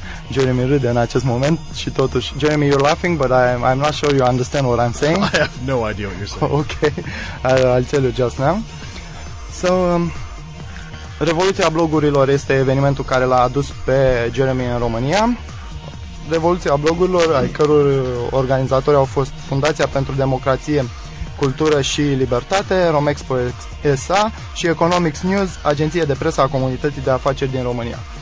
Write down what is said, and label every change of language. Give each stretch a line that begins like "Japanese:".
Romanian: Jeremy râde în acest moment și totuși...
English: Jeremy, you're laughing, but I'm not sure you understand what I'm saying. I have no idea what you're saying. Okay, I'll tell you just now.
Romanian: So, revoluția blogurilor este evenimentul care l-a adus pe Jeremy în România. Revoluția blogurilor, ai căror organizatori au fost Fundația pentru Democrație, Cultură și Libertate, Romexpo SA și Economics News, agenție de presă a comunității de afaceri din România.